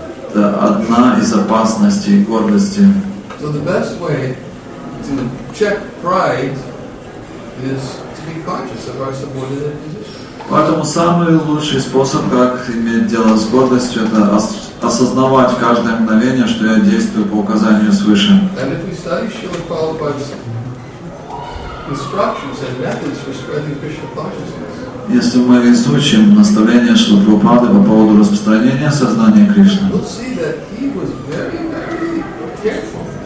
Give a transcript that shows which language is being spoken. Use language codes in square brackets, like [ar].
[ru] Это одна из опасностей гордости. [en] So the best way to check pride is to be conscious of our subordinate position. [ru] Поэтому самый лучший способ, как иметь дело с гордостью, это осознавать в каждое мгновение, что я действую по указанию свыше. [en] And if we study Srila Prabhupada's instructions and methods for spreading Krishna consciousness, [ru] если мы изучим наставления Шрилы Прабхупады по поводу распространения сознания Кришны, [en] we'll see that he was very, very careful.